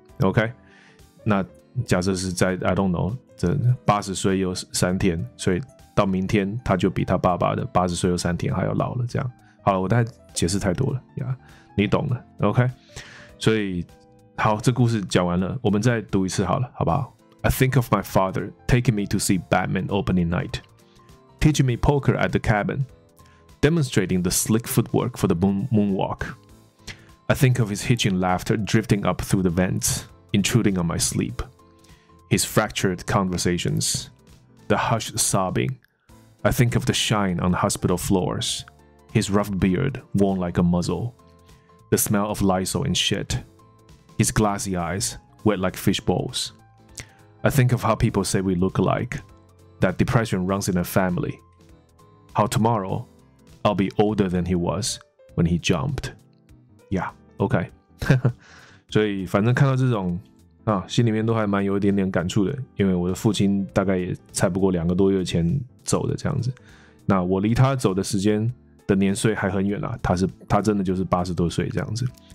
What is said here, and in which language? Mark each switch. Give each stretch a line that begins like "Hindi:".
Chinese: OK，那假设是在
English: I don't know，
Chinese: 这80岁又三天，所以到明天他就比他爸爸的80岁又三天还要老了这样。好了，我大概解释太多了呀，你懂了。OK， 所以好，这故事讲完了，我们再读一次好了，好不好？
English: I think of my father taking me to see Batman opening night, teaching me poker at the cabin, demonstrating the slick footwork for the moonwalk. I think of his hitching laughter drifting up through the ventsintruding on my sleep, his fractured conversations, the hushed sobbing. I think of the shine on the hospital floors, his rough beard worn like a muzzle, the smell of Lysol and shit, his glassy eyes wet like fish bowls. I think of how people say we look alike, that depression runs in a family. How tomorrow, I'll be older than he was when he jumped. Yeah, OK.
Chinese: 所以反正看到这种啊，心里面都还蛮有一点点感触的，因为我的父亲大概也才不过两个多月前走的这样子。那我离他走的时间的年岁还很远啦，他真的就是80多岁这样子。